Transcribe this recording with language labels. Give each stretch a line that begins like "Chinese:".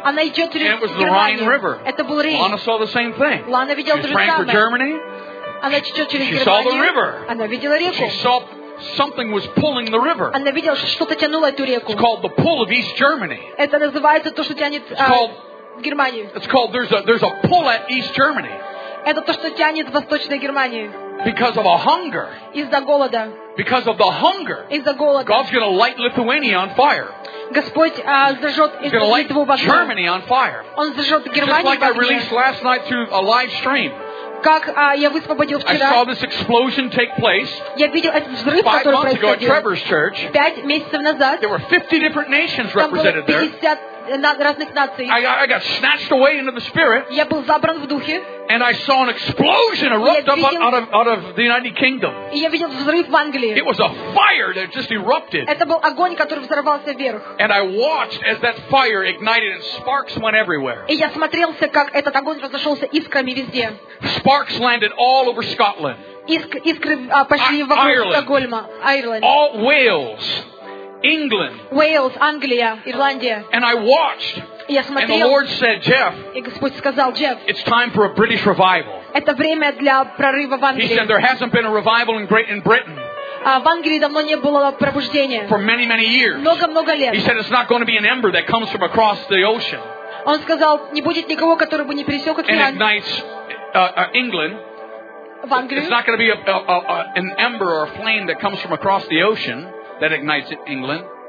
Russian: Она идет через Германию.
English: And it was the Rhine River.
Russian: Это был Рейн.
English: Lana saw the same thing.
Russian: Лана видела то же самое.
English: She's from Germany.
Russian: Она течет через
English: she saw the river.
Russian: Она видела реку.
English: She saw something was pulling the river.
Russian: Она видела, что что-то тянуло эту реку.
English: It's called the pull of East Germany.
Russian: Это называется то, что тянет Германию.
English: It's called there's a pull at East Germany.
Russian: Это то, что тянет восточную Германию.
English: Because of a hunger.
Russian: Из-за голода.
English: Because of the hunger.
Russian: Из-за голода.
English: God's going to light Lithuania on fire.
Russian: Господь зажжет Литву в огне.
English: Germany on fire.
Russian: Он зажжет Германию в огне.
English: Just like I released last night through a live stream.
Russian: Как я высвободил вчера.
English: I saw this explosion take place.
Russian: Я видел этот взрыв, который происходил.
English: 5 months ago at Trevor's Church.
Russian: 5 месяцев назад.
English: There were 50 different nations represented there.
Russian: Там было 50 разных наций.
English: I got snatched away into the spirit.
Russian: Я был забран в духе.
English: And I saw an explosion erupt up out of the United Kingdom.
Russian: И я видел взрыв в Англии.
English: It was a fire that just erupted.
Russian: Это был огонь, который взорвался вверх.
English: And I watched as that fire ignited and sparks went everywhere.
Russian: И я смотрелся, как этот огонь разошелся искрами везде.
English: Sparks landed all over Scotland.
Russian: искры пошли вокруг Стокгольма, Айрланд.
English: All Wales, England.
Russian: Wales, Англия, Ирландия.
English: And I watched.
Russian: Я смотрел.
English: And the Lord said, Jeff.
Russian: И Господь сказал, Джефф.
English: It's time for a British revival.
Russian: Это время для прорыва в Англии.
English: He said there hasn't been a revival in Britain.
Russian: В Англии давно не было пробуждения.
English: For many years.
Russian: Много лет.
English: He said it's not going to be an ember that comes from across the ocean.
Russian: Он сказал, не будет никого, который бы не пересек океан.
English: And ignites England. It's not going to be an ember or a flame that comes from across the ocean that ignites England.